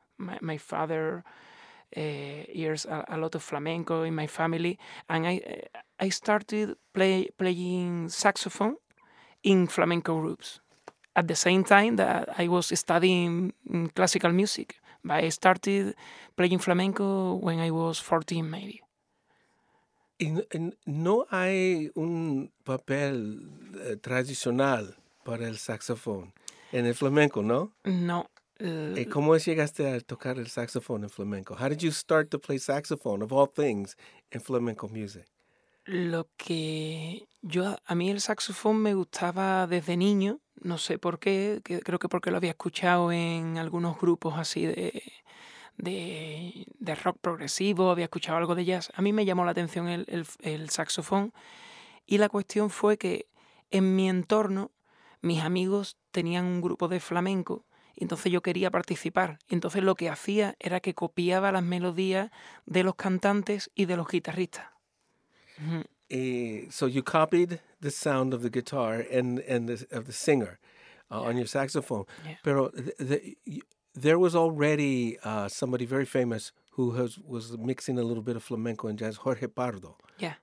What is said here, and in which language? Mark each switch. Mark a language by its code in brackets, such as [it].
[en] My father hears a lot of flamenco in my family. And I started playing saxophone in flamenco groups at the same time that I was studying classical music. But I started playing flamenco when I was 14, maybe. [es] ¿No hay un papel tradicional para el saxofón en el flamenco, no? No. ¿Cómo llegaste a tocar el saxofón en flamenco? [en] How did you start to play saxophone, of all things, in flamenco music? [es] A mí el saxofón me gustaba desde niño. No sé por qué, creo que porque lo había escuchado en algunos grupos así de rock progresivo, había escuchado algo de jazz. A mí me llamó la atención el saxofón y la cuestión fue que en mi entorno mis amigos tenían un grupo de flamenco y entonces yo quería participar. Y entonces lo que hacía era que copiaba las melodías de los cantantes y de los guitarristas. [en] So you copied the sound of the guitar and of the singer on your saxophone. Yeah. Pero there was already somebody very famous who was mixing a little bit of flamenco and jazz, Jorge Pardo. Yeah.